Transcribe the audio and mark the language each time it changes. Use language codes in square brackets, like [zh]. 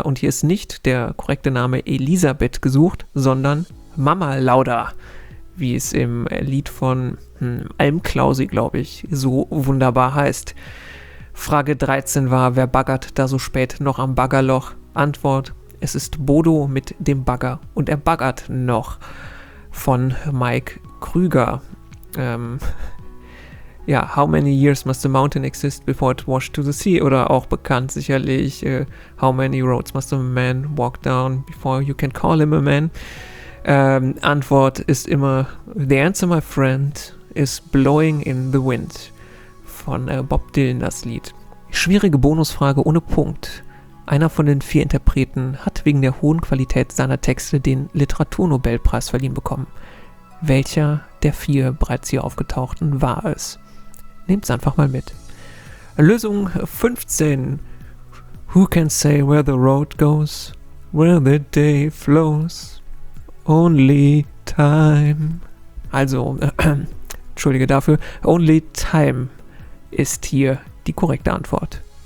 [de] Und hier ist nicht der korrekte Name Elisabeth gesucht, sondern Mama Lauda, wie es im Lied von Almklausi, glaube ich, so wunderbar heißt. Frage 13 war, wer baggert da so spät noch am Baggerloch? Antwort, es ist Bodo mit dem Bagger und er baggert noch, von Mike Krüger. [en] Ja, how many years must a mountain exist before it washed to the sea? [de] Oder auch bekannt sicherlich, [en] how many roads must a man walk down before you can call him a man? [de] Antwort ist immer, [en] the answer, my friend, is blowing in the wind. [de] Von Bob Dylan das Lied. Schwierige Bonusfrage ohne Punkt. Einer von den vier Interpreten hat wegen der hohen Qualität seiner Texte den Literaturnobelpreis verliehen bekommen. Welcher der vier bereits hier aufgetauchten war es? Nehmt's einfach mal mit. Lösung 15. [en] Who can say where the road goes, where the day flows, only time. [de] Also, entschuldige dafür, only time ist hier die korrekte Antwort.